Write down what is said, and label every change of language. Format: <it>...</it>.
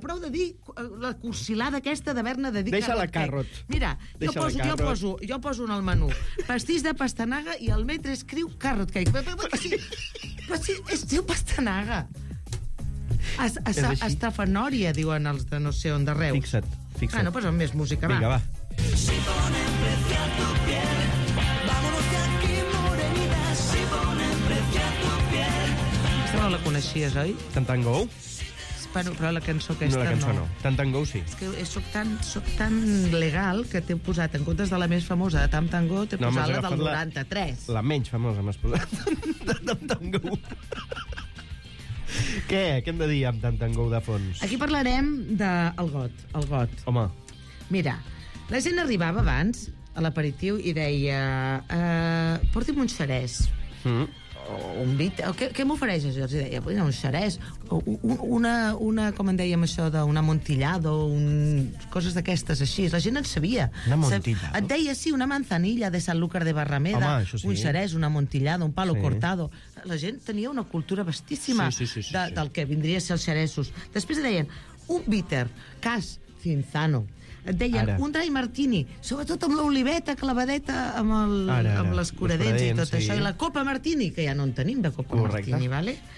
<ca>Prou de dir la cursilada aquesta d'haver-ne de dir... Deixa-la carrot. Mira, jo poso en el menú. Pastís de pastanaga i el metre escriu</ca> <en>carrot cake.</en> <ca>Però sí, es diu pastanaga. Estafanòria, diuen els de no sé on de Reus. Fixa't. Bueno, posa'm més música, va. Vinga, va.</ca> <es>Si ponen precio a tu piel, vámonos de aquí, morenita. Si ponen precio a tu piel.</es> <ca>Aquesta no la coneixies, oi? Tantango. Bueno, però la cançó aquesta no. No, la cançó no. Tantango, sí. És que soc tan legal que t'he posat, en comptes de la més famosa de Tantango, t'he posat la del 93. La menys famosa m'has posat de Tantango. Què? Què hem de dir amb Tantango de fons? Aquí parlarem del got. El got. Home. Mira, la gent arribava abans a l'aperitiu i deia... Porti'm un xerès. O un vit... Què m'ofereixes? Jo els deia, un xerès. Una, com en dèiem això, d'una montillada o coses d'aquestes així. La gent en sabia. Una montillada? Et deia, sí, una manzanilla de Sanlúcar de Barrameda. Home, sí. Un xerès, una montillada, un palo cortado. La gent tenia una cultura vastíssima del que vindria a ser els xeressos. Després deien, un bitter, cas Cinzano. Et deien, un dry martini, sobretot amb l'oliveta clavadeta amb les curadents i tot això. I la copa martini, que ja no en tenim, de copa martini, vale?</ca>